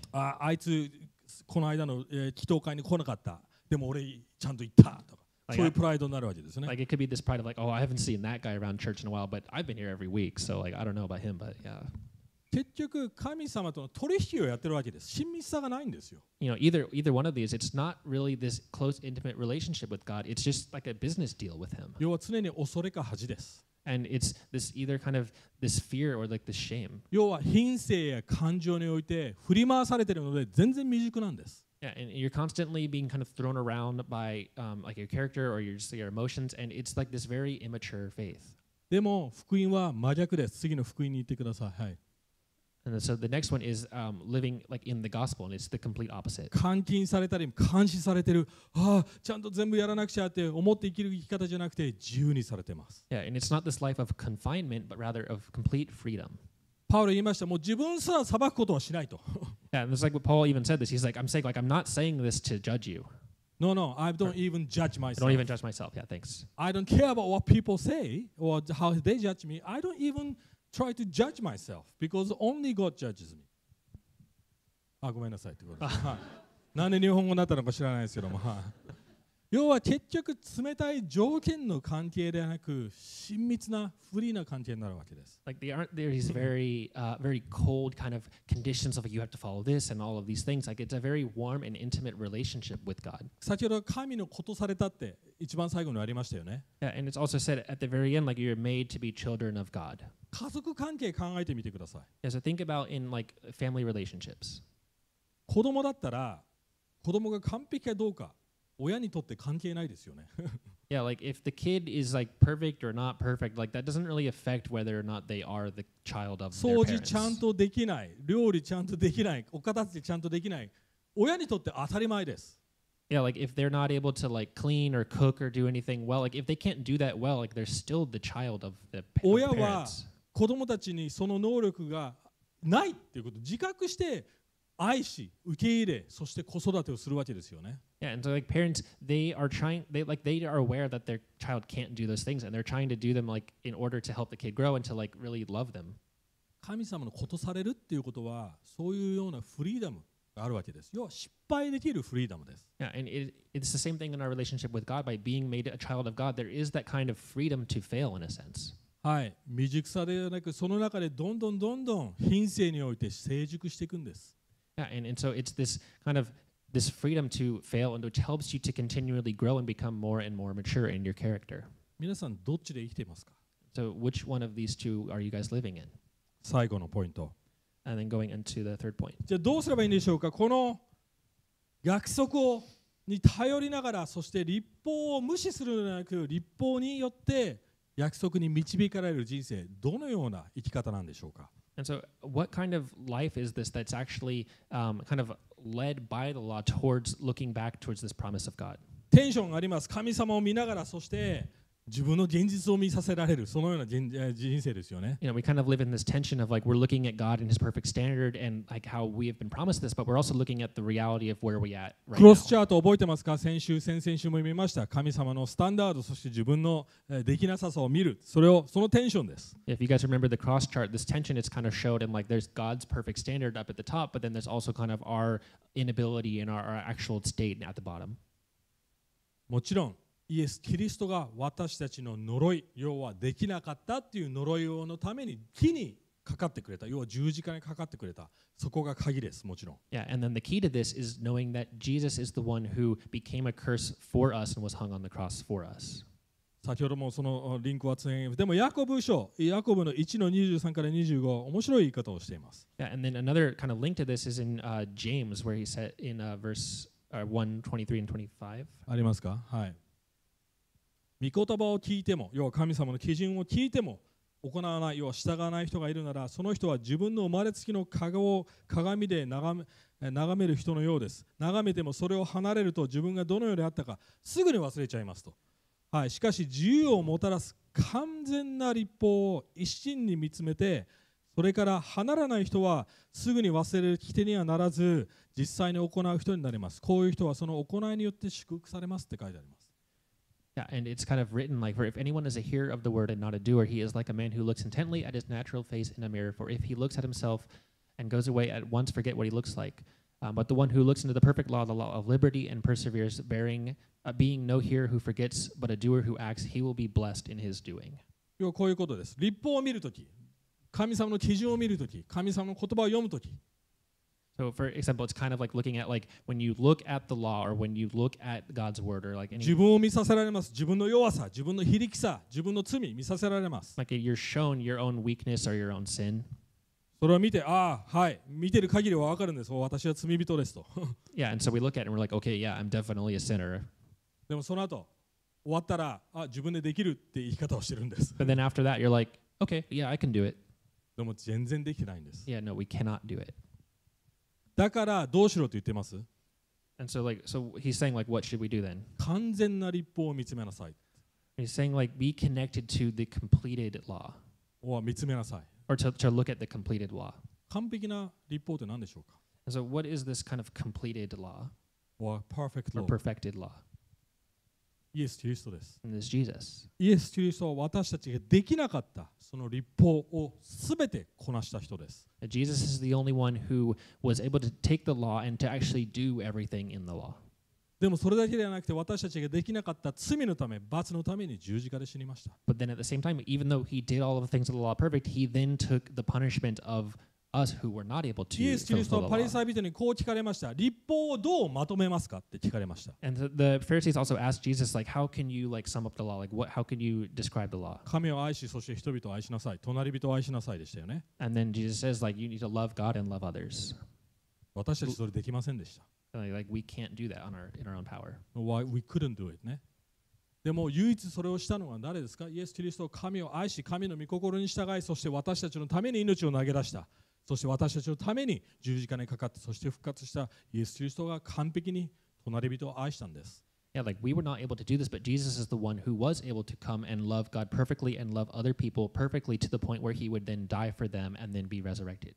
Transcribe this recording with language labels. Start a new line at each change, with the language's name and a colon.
Japanese: あいつこの間の祈祷会に来なかった。でも俺ちゃんと行ったとか。そういうプライドになるわけですね。
English: Like it could be this pride of like, oh, I haven't seen that guy around church in a while, but I've been here every week, so like I don't know about him, but yeah.
Japanese: 結局神様との取引をやってるわけです。親密さがないんですよ。
English: You know, either one of these, it's not really this close intimate relationship with God. It's just like a business deal with him.
Japanese: 要は常に恐れか恥です。
English: And it's this either kind of this fear or like the shame.
Japanese: 要は品性や感情において振り回されてるので全然未熟なんです。
English: Yeah, and you're constantly being kind of thrown around by like your character or your emotions, and it's like this very immature faith.
Japanese: でも福音は真逆です。次の福音に行ってください。はい。
English: And so the next one is living like in the gospel, and it's the complete opposite.
Japanese: 監禁されたり監視されてる、ちゃんと全部やらなくちゃって思って生きる生き方じゃなくて自由にされてます。
English: Yeah, and it's not this life of confinement, but rather of complete freedom.
Japanese: パウロ言いました。もう自分すら裁くことはしないと。
English: Yeah, and it's like what Paul even said this. He's like, I'm saying, like, I'm not saying this to judge you. No, no, I don't even judge myself. I don't even judge myself. Yeah, thanks. I don't care about what people say or how they judge me. I don't even try to judge myself because only God judges me.
Japanese: あ、ごめんなさいってことです。なんで日本語になったのか知らないですけども。要は結局冷たい条件の関係ではなく親密なフリーな関係になるわけです。
English: Like there aren't there is very very cold kind of conditions of like you have to follow this and all of these things. Like it's a very warm and intimate relationship with God.
Japanese: 先ほど神のことされたって一番最後にありましたよね。
English: Yeah, and it's also said at the very end like you're made to be children of God.
Japanese: 家族関係考えてみてください。
English: Yeah, so think about in like family relationships.
Japanese: 子供だったら子供が完璧かどうか。親にとって関係ないですよね。
English: Yeah, like if the kid is like perfect or not perfect, like that doesn't really affect whether or not they are the child of their parents.
Japanese: 掃除ちゃんとできない、料理ちゃんとできない、お片付けちゃんとできない、親にとって当たり前です。
English: Yeah, like if they're not able to like clean or cook or do anything well, like if they can't do that well, like they're still the child of the parents.
Japanese: 親は子供たちにその能力がないっていうことを自覚して愛し、受け入れ、そして子育てをするわけですよね。
English: Yeah, and so like parents, they are trying, they are aware that their child can't do those things, and they're trying to do them like in order to help the kid grow and to like really love them.
Japanese: 神様のことされるっていうことはそういうようなフリーダムがあるわけです。要は失敗できるフリーダムです。
English: Yeah, and it's the same thing in our relationship with God. By being made a child of God, there is that kind of freedom to fail in a sense.
Japanese: はい、未熟さではなくその中でどんどんどんどん品性において成熟していくんです。
English: Yeah, and so it's this kind of this freedom to fail and which helps you to continually grow and become more and more mature in your character.
Japanese: 皆さんどっちで生きていますか?
English: So which one of these two are you guys living in?
Japanese: 最後のポイント。
English: And then going into the third point.
Japanese: じゃあどうすればいいんでしょうか? この約束をに頼りながら、そして律法を無視するのではなく、律法によって約束に導かれる人生、どのような生き方なんでしょうか。
English: And so, what kind of life is this that's actually kind of led by the law towards looking back towards this promise of God?
Japanese: テンションがあります。神様を見ながら、そして自分の現実を見させられる、そのような人生ですよね。
English: You know, we kind of live in this tension of like we're looking at God and His perfect standard and like how we have been promised this, but we're also looking at the reality of where we at right now.
Japanese: クロスチャート覚えてますか？先週、先々週も見ました。神様のスタンダード、そして自分のできなささを見る、それをそのテンションです。
English: If you guys remember the cross chart, this tension is kind of showed in like there's God's perfect standard up at the top, but then there's also kind of our inability and our actual state at the bottom.
Japanese: もちろん。イエス・キリストが私たちの呪い、要はできなかったっていう呪いのために木にかかってくれた、要は十字架にかかってくれた、そこが鍵です、もちろん。
English: Yeah, and then the key to this is knowing that Jesus is the one who became a curse for us and was hung on the cross for us.
Japanese: 先ほどもそのリンクはつなげます。でもヤコブ書、ヤコブの1の23から25、面白い言い方をしています。
English: Yeah, and then another kind of link to this is in James, where he said in verse 1:23 and 25.
Japanese: ありますか？はい。御言葉を聞いても、要は神様の基準を聞いても行わない、要は従わない人がいるなら、その人は自分の生まれつきの顔を鏡で眺める人のようです。眺めてもそれを離れると自分がどのようであったかすぐに忘れちゃいますと。はい、しかし自由をもたらす完全な律法を一心に見つめて、それから離らない人はすぐに忘れる聞き手にはならず、実際に行う人になります。こういう人はその行いによって祝福されますって書いてあります。
English: Yeah, and it's kind of written like, for if anyone is a hearer of the word and not a doer, he is like a man who looks intently at his natural face in a mirror. For if he looks at himself and goes away, at once forget what he looks like. But the one who looks into the perfect law, the law of liberty, and perseveres, bearing, being no hearer who forgets, but a doer who acts, he will be blessed in his doing.
Japanese: 要はこういうことです。律法を見るとき、神様の基準を見るとき、神様の言葉を読むとき、
English: So, for example, it's kind of like looking at like when you look at the law or when you look at God's word or like any.
Japanese: 自分を見させられます。自分の弱さ、自分の非力さ、自分の罪見させられます。
English: Like you're shown your own weakness or your own sin.
Japanese: それを見て、ああ、はい、見てる限りはわかるんです。私は罪人ですと。
English: Yeah, and so we look at it and we're like, okay, yeah, I'm definitely a sinner.
Japanese: でもその後、終わったら、あ、自分でできるって言い方をしてるんです。
English: But then after that, you're like, okay, yeah, I can do it.
Japanese: でも全然できないんです。
English: Yeah, no, we cannot do it.
Japanese: だからどうしろと言ってます。
English: And so, like, so he's saying, like, what should we do then?
Japanese: 完全な律法を見つめなさい。
English: He's saying, like, be connected to the completed law.
Japanese: Or 見つめなさい。
English: Or to look at the completed law.
Japanese: 完璧な律法って何でしょうか。
English: And so, what is this kind of completed law? Or perfect law. Or perfected law.
Japanese: イエス・キリストです。
English: And it's Jesus.
Japanese: イエス・キリストは私たちができなかったその律法をすべてこなした人です。
English: Jesus is the only one who was able to take the law and to actually do everything in the law.
Japanese: でもそれだけではなくて、私たちができなかった罪のため、罰のために十字架で死にました。
English: But then at the same time, even though he did all of the things of the law perfect, he then took the punishment of us who were not able to fulfill the law. イエス・キリストは
Japanese: パリサイ人にこう聞かれました。律法をどうまとめますかって聞かれました。
English: And the Pharisees also asked Jesus, like, how can you like sum up the law? Like, what? How can you describe the law?
Japanese: 神を愛し、そして人々を愛しなさい。隣人を愛しなさいでしたよね。
English: And then Jesus says, like, you need to love God and love others.
Japanese: 私たちそれできませんでした。
English: Like, we can't do that in our own power. Why we couldn't do it? ね。
Japanese: でも唯一それをしたのは誰ですか？イエス・キリストは神を愛し、神の御心に従い、そして私たちのために命を投げ出した。そして私たちのために十字架にかかって、そして復活したイエス・キリストが完璧に隣人を愛したんです。
English: Yeah, like we were not able to do this, but Jesus is the one who was able to come and love God perfectly and love other people perfectly to the point where he would then die for them and then be resurrected.